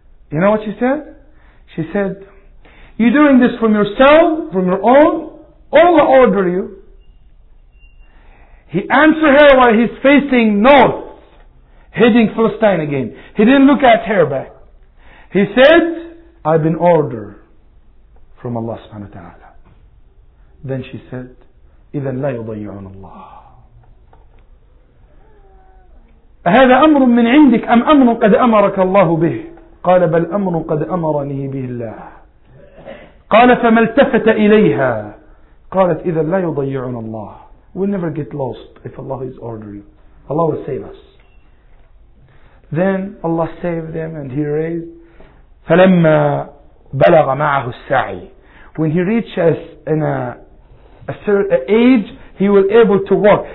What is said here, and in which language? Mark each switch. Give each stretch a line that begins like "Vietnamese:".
English: You know what she said? She said, you're doing this from yourself, from your own, all the order you. He answered her while he's facing north, heading Philistine again. He didn't look at her back. He said, I've been ordered from Allah subhanahu wa ta'ala. Then she said,
Arabic: إِذَنْ لَا يُضَيُّعُنَ اللَّهِ أَهَذَا أَمْرٌ مِّنْ عِنْدِكَ أَمْ أَمْرٌ قَدْ أَمَرَكَ اللَّهُ بِهِ قال بل أمر قد أمرني به الله قال فما التفت إليها قالت إذا لا يضيعنا الله.
English: We'll never get lost if Allah is ordering. Allah will save us. Then Allah saved them and he raised.
Arabic: فلما بلغ معه السعي.
English: When he reaches in a certain age, he will able to walk.